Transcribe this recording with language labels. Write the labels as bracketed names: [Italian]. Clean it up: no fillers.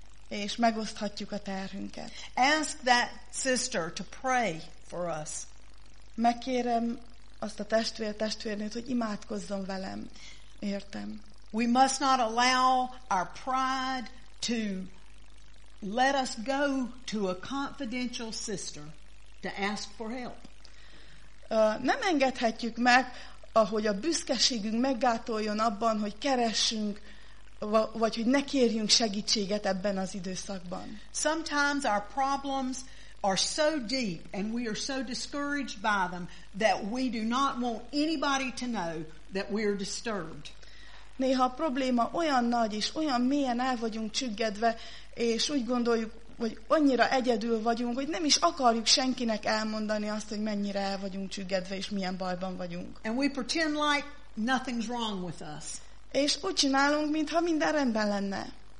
[Hungarian] És megoszthatjuk a terhünket. [English] Ask that sister to pray for us. [Hungarian] Megkérem azt a testvérnőt, hogy imádkozzon velem. Értem. [English] We must not allow our pride to let us go to a confidential sister to ask for help. [Hungarian] Nem engedhetjük meg, ahogy a büszkeségünk meggátoljon abban, hogy keressünk, vagy hogy ne kérjünk segítséget ebben az időszakban. [English] Sometimes our problems are so deep and we are so discouraged by them that we do not want anybody to know that we are disturbed. [Hungarian] Néha a probléma olyan nagy és olyan mélyen el vagyunk csüggedve, és úgy gondoljuk, hogy annyira egyedül vagyunk, hogy nem is akarjuk senkinek elmondani azt, hogy mennyire el vagyunk csüggedve és milyen bajban vagyunk. [English] And we pretend like nothing's wrong with us. [Hungarian] És úgy csinálunk, mintha minden rendben lenne.